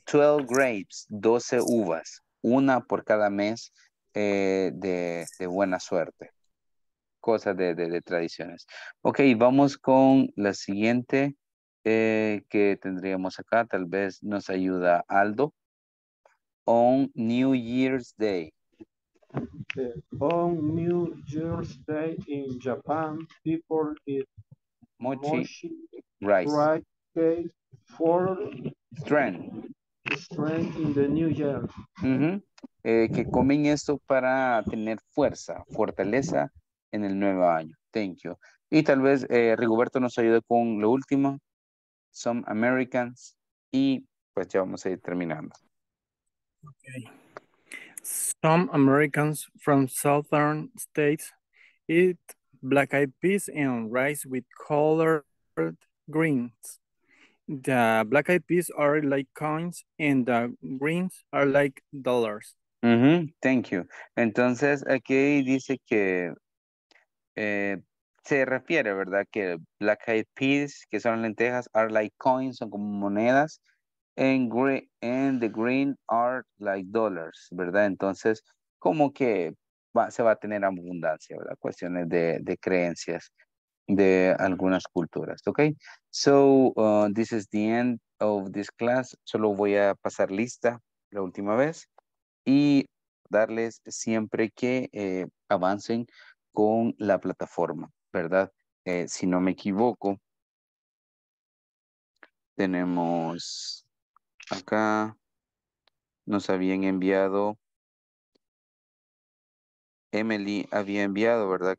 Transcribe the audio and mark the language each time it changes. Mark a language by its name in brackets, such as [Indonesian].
[Spanish] 12 grapes, 12 uvas, una por cada mes de buena suerte. Cosas de tradiciones. Ok, vamos con la siguiente. Que tendríamos acá, tal vez nos ayuda Aldo. [English] On New Year's Day. On New Year's Day in Japan, people eat mochi rice cake for strength in the New Year. Mm-hmm. [Spanish] Que comen esto para tener fortaleza en el nuevo año. [English] Thank you. [Spanish] Y tal vez Rigoberto nos ayude con lo último. [English] Some Americans, [Spanish] y pues ya vamos a ir terminando. [English] Okay. Some Americans from southern states eat black-eyed peas and rice with colored greens. The black-eyed peas are like coins and the greens are like dollars. [Spanish] Mm-hmm. [English] Thank you. [Spanish] Entonces aquí dice que se refiere, ¿verdad?, que black eyed peas, que son lentejas, [English] are like coins, [Spanish] son como monedas, [English] and the green are like dollars, [Spanish] ¿verdad? Entonces, como que se va a tener abundancia, ¿verdad? Cuestiones de creencias de algunas culturas, ¿ok? [English] So, this is the end of this class. [Spanish] Solo voy a pasar lista la última vez y darles siempre que avancen con la plataforma. ¿Verdad? Si no me equivoco, tenemos acá, nos habían enviado, Emily había enviado, ¿verdad?